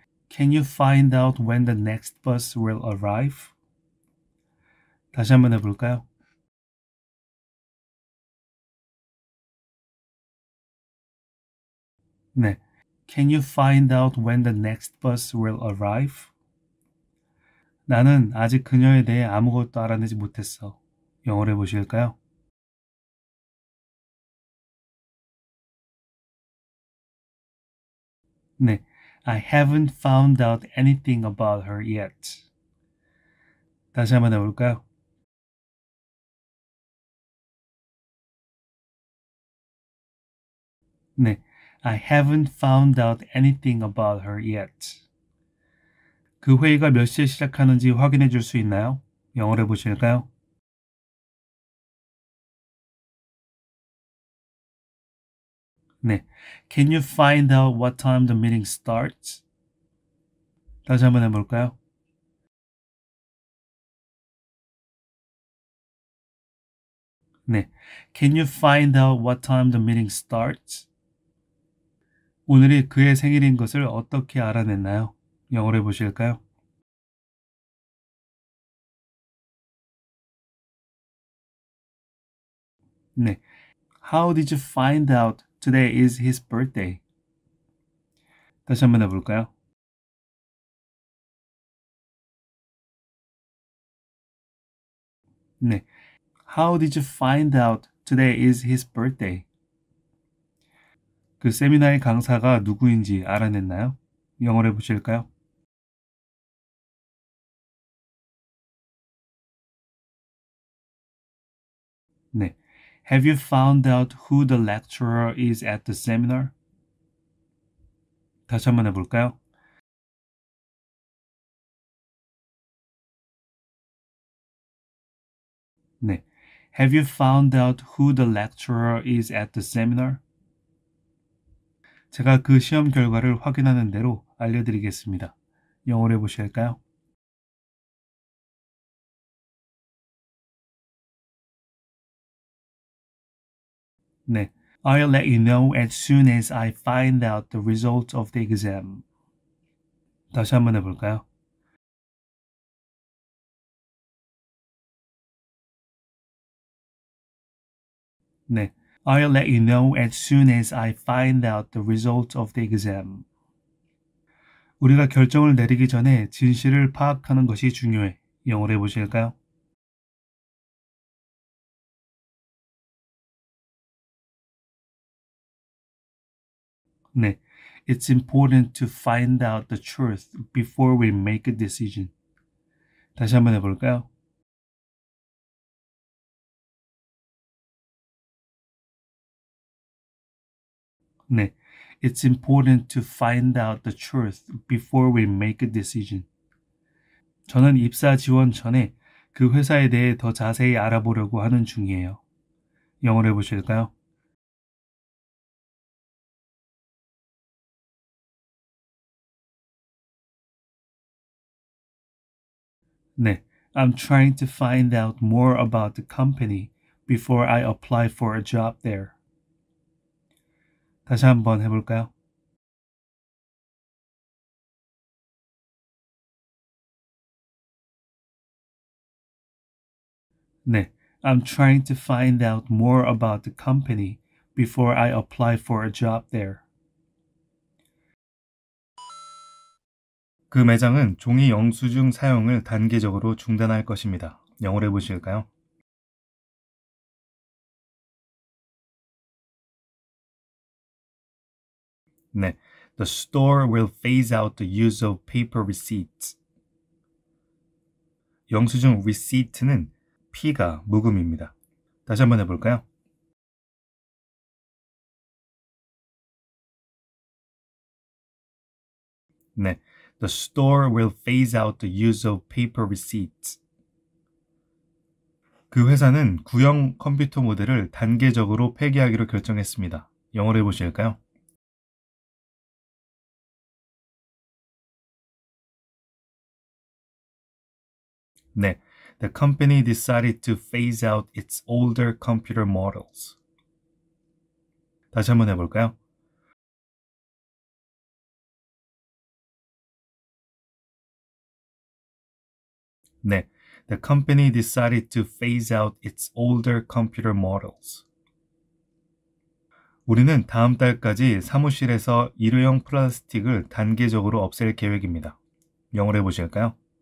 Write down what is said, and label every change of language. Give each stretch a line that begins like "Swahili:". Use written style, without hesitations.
English: Can you find out when the next bus will arrive?
Korean: 다시 한번 해볼까요?
English: Can you find out when the next bus will arrive?
Korean: 나는 아직 그녀에 대해 아무것도 알아내지 못했어. 영어로 해보실까요?
English: I haven't found out anything about her yet.
Korean: 다시 한번 해볼까요?
English: I haven't found out anything about her yet.
Korean: 그 회의가 몇 시에 시작하는지 확인해 줄 수 있나요? 영어로 해보실까요?
English: Can you find out what time the meeting starts?
Korean: 다시 한번 해볼까요?
English: Can you find out what time the meeting starts?
Korean: 오늘이 그의 생일인 것을 어떻게 알아냈나요? 영어로 해보실까요?
English: How did you find out today is his birthday?
Korean: 다시 한번 해볼까요?
English: How did you find out today is his birthday?
Korean: 그 세미나의 강사가 누구인지 알아냈나요? 영어로 해보실까요?
English: Have you found out who the lecturer is at the seminar?
Korean: 다시 한번 해볼까요?
English: Have you found out who the lecturer is at the seminar?
Korean: 제가 그 시험 결과를 확인하는 대로 알려드리겠습니다. 영어로 해보실까요?
English: I'll let you know as soon as I find out the results of the exam.
Korean: 다시 한번 해볼까요?
English: I'll let you know as soon as I find out the results of the exam.
Korean: 우리가 결정을 내리기 전에 진실을 파악하는 것이 중요해. 영어로 해보실까요?
English: It's important to find out the truth before we make a decision.
Korean: 다시 한번 해볼까요?
English: It's important to find out the truth before we make a decision.
Korean: 저는 입사 지원 전에 그 회사에 대해 더 자세히 알아보려고 하는 중이에요. 영어로 해보실까요?
English: I'm trying to find out more about the company before I apply for a job there.
Korean: 다시 한번 해볼까요? 네.
English: I'm trying to find out more about the company before I apply for a job there.
Korean: 그 매장은 종이 영수증 사용을 단계적으로 중단할 것입니다. 영어로 해보실까요?
English: The store will phase out the use of paper receipts.
Korean: 영수증 receipt는 P가 묵음입니다. 다시 한번 해볼까요?
English: The store will phase out the use of paper receipts.
Korean: 그 회사는 구형 컴퓨터 모델을 단계적으로 폐기하기로 결정했습니다. 영어로 해보실까요?
English: The company decided to phase out its older computer models.
Korean: 다시 한번 해볼까요?
English: The company decided to phase out its older computer models.
Korean: 우리는 다음 달까지 사무실에서 일회용 플라스틱을 단계적으로 없앨 계획입니다. 영어로 해보실까요?